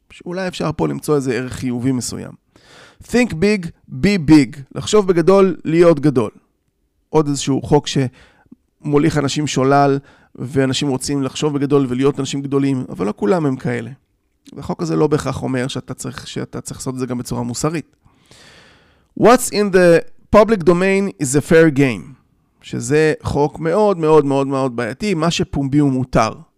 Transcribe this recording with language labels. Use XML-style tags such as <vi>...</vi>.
<he>שאולי אפשר פה למצוא איזה ערך חיובי מסוים.</he> <en>Think big, be big.</en> <he>לחשוב בגדול, להיות גדול. עוד איזשהו חוק שמוליך אנשים שולל, ואנשים רוצים לחשוב בגדול ולהיות אנשים גדולים, אבל לא כולם הם כאלה. החוק הזה לא בהכרח אומר שאתה צריך לעשות את זה גם בצורה מוסרית.</he> <en>What's in the public domain is a fair game.</en> <he>שזה חוק מאוד מאוד מאוד מאוד בעייתי, מה שפומבי הוא מותר.</he>